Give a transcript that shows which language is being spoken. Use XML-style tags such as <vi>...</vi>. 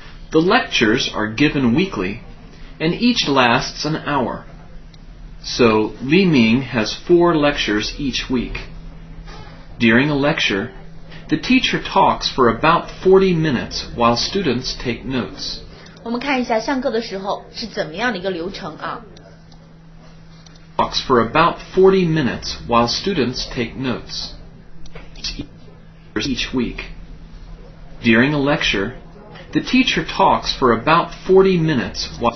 <en>The lectures are given weekly and each lasts an hour. So, Li Ming has 4 lectures each week. During a lecture, the teacher talks for about 40 minutes while students take notes.</en> <zh>我们看一下上课的时候是怎么样的一个流程啊。</zh> <en>Talks for about 40 minutes while students take notes. Each week. During a lecture, the teacher talks for about 40 minutes while...</en>